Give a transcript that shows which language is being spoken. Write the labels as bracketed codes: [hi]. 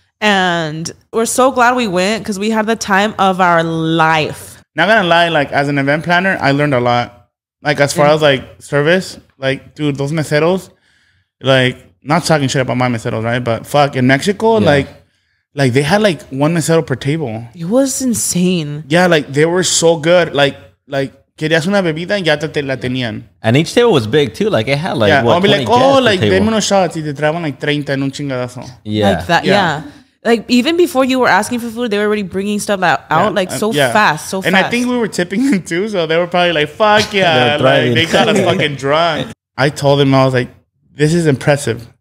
[en] And we're so glad we went because we had the time of our life. Not going to lie. Like, as an event planner, I learned a lot. Like, as far as, like, service. Like, dude, those meseros. Like, not talking shit about my meseros, right? But, fuck, in Mexico, like they had, like, one mesero per table. It was insane. Yeah, like, they were so good. [es] Like, querías una bebida, ya te la tenían. [en] And each table was big too. Like, it had like, yeah, what, I'll be like, oh, like, [es] dame unos shots. Y te traban like 30 en un chingadazo. [en] Yeah. Like that, yeah. Like, even before you were asking for food, they were already bringing stuff out, like so fast. So and fast. And I think we were tipping them too. So they were probably like, fuck yeah. Like, they got us fucking drunk. I told them, I was like, this is impressive.